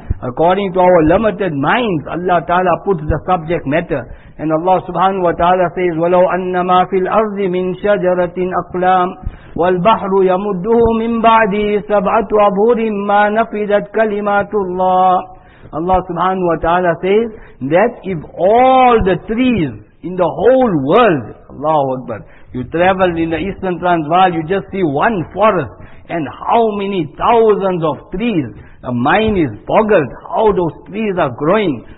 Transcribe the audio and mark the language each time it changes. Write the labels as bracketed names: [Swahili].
[English] According to our limited minds, Allah Ta'ala puts the subject matter. And Allah Subhanahu wa Ta'ala says, [Arabic] وَلَوْ أَنَّ مَا فِي الْأَرْضِ مِنْ شَجَرَةٍ أَقْلَامٍ وَالْبَحْرُ يَمُدُّهُ مِنْ بَعْدِي سَبْعَةُ أَبْهُرٍ مَا نَفِذَتْ كَلِمَاتُ اللَّهِ. [English] Allah Subhanahu wa Ta'ala says that if all the trees in the whole world, Allahu Akbar, you travel in the Eastern Transvaal, you just see one forest and how many thousands of trees. The mind is boggled how those trees are growing.